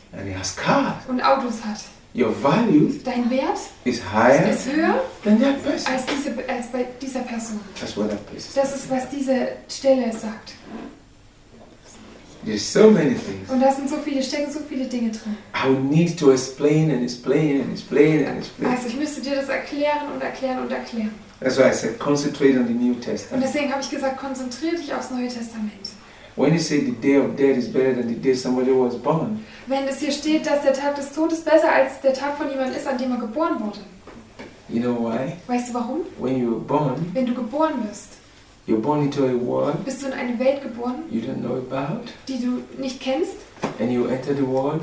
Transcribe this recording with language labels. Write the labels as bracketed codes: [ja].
[en] and he has cars, [de] und Autos hat. [en] Your value, [de] dein Wert [en] is higher, [de] ist höher [en] than that person, [de] als, diese, als bei dieser Person. [en] That's what that place is. [de] Das ist, was diese Stelle sagt. [en] There's so many things. [de] Und da sind so viele, stecken so viele Dinge drin. [en] I would need to explain and explain and explain and explain. [de] Also ich müsste dir das erklären und erklären und erklären. [en] That's why I said concentrate on the New Testament. [de] Und deswegen habe ich gesagt, konzentrier dich aufs Neue Testament. [en] When you say the day of death is better than the day somebody was born. [de] Wenn es hier steht, dass der Tag des Todes besser als der Tag von jemand ist, an dem er geboren wurde. [en] You know why? [de] Weißt du warum? [en] When you were born. [de] Wenn du geboren wirst. [en] You're born into a world, [de] bist du in eine Welt geboren, [en] you don't know about, [de] die du nicht kennst, [en] and you enter the world,